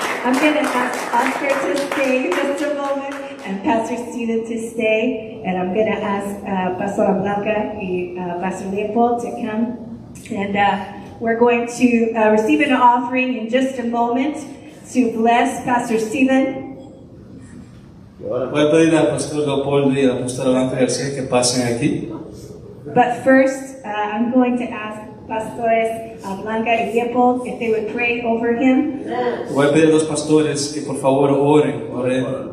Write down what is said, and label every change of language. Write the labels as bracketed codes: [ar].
[en] I'm going to ask Pastor to stay just a moment and Pastor Steven to stay. And I'm going to ask Pastor Blanca y Pastor Leopold to come. And we're going to receive an offering in just a moment to bless Pastor Steven. [es] Voy a pedir al Pastor Leopoldo y al Pastor Blanca García que pasen aquí. [en] But first, I'm going to ask Pastores Blanca y Leopoldo if they would pray over him. Yes. [es] Voy a pedir a los pastores que por favor oren por él.